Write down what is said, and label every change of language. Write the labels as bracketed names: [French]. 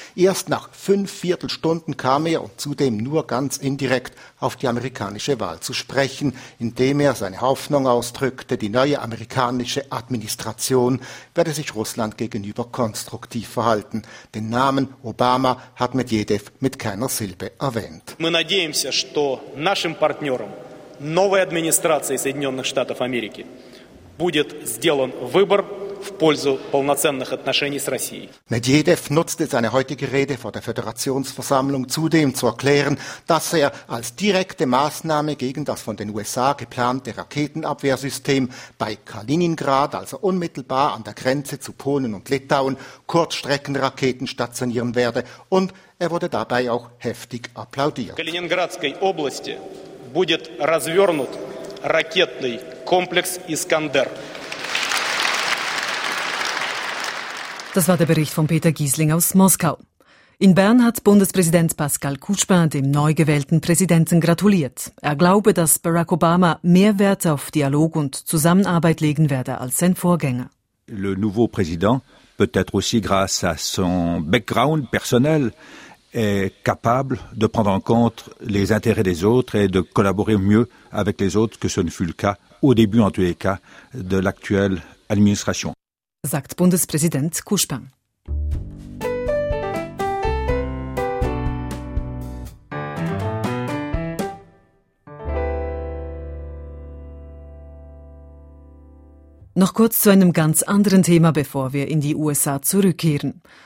[German] Erst nach 5 Viertelstunden kam er und zudem nur ganz indirekt auf die amerikanische Wahl zu sprechen, indem er seine Hoffnung ausdrückte, die neue amerikanische Administration werde sich Russland gegenüber konstruktiv verhalten. Den Namen Obama hat Medvedev mit keiner Silbe erwähnt. [Russian] Мы надеемся, что нашим партнерам новой администрации Соединенных Штатов Америки будет сделан выбор в пользу полноценных отношений с Россией. [German] Medvedev nutzte seine heutige Rede vor der Föderationsversammlung zudem zu erklären, dass er als direkte Maßnahme gegen das von den USA geplante Raketenabwehrsystem bei Kaliningrad, also unmittelbar an der Grenze zu Polen und Litauen, Kurzstreckenraketen stationieren werde, und er wurde dabei auch heftig applaudiert. [Russian] Kaliningradskiej области будет развернут ракетный комплекс «Искандер». [German] Das war der Bericht von Peter Giesling aus Moskau. In Bern hat Bundespräsident Pascal Couchepin dem neu gewählten Präsidenten gratuliert. Er glaube, dass Barack Obama mehr Wert auf Dialog und Zusammenarbeit legen werde als sein Vorgänger. [French] Le nouveau président, peut-être aussi grâce à son background personnel, est capable de prendre en compte les intérêts des autres et de collaborer mieux avec les autres que ce ne fut le cas au début, en tous les cas, de l'actuelle administration. [German] Sagt Bundespräsident Couchepin. Noch kurz zu einem ganz anderen Thema, bevor wir in die USA zurückkehren.